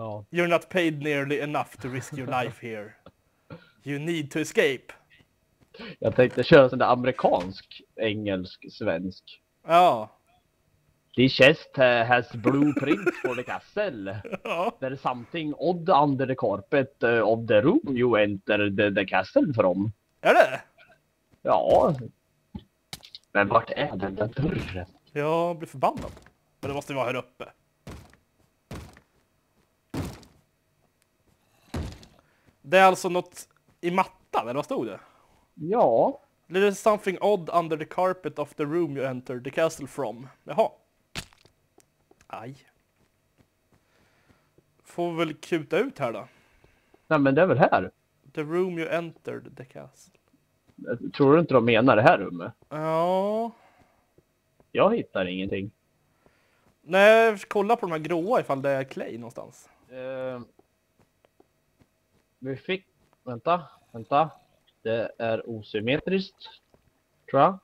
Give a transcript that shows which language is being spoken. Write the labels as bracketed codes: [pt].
[en] You're not paid nearly enough to risk your life here. You need to escape. [sv] Jag tänkte köra sån där amerikansk, engelsk, svensk. Ja. [en] The chest has blueprint for the castle. [sv] Ja. [en] There is something odd under the carpet of the room you enter the castle from. [sv] Är det? Ja. Men vart är den där dörren? Jag blir förbannad. Men det måste vara här uppe. Det är alltså något i mattan, eller vad stod det? Ja. [en] There is something odd under the carpet of the room you enter the castle from. [sv] Jaha. Aj. Får väl kuta ut här då? Nej, men det är väl här? [en] The room you entered the castle. [sv] Tror du inte de menar det här rummet? Ja. Jag hittar ingenting. Nej, jag får kolla på de här gråa ifall det är clay någonstans. Vi fick... Vänta. Det är osymmetriskt. Tror jag.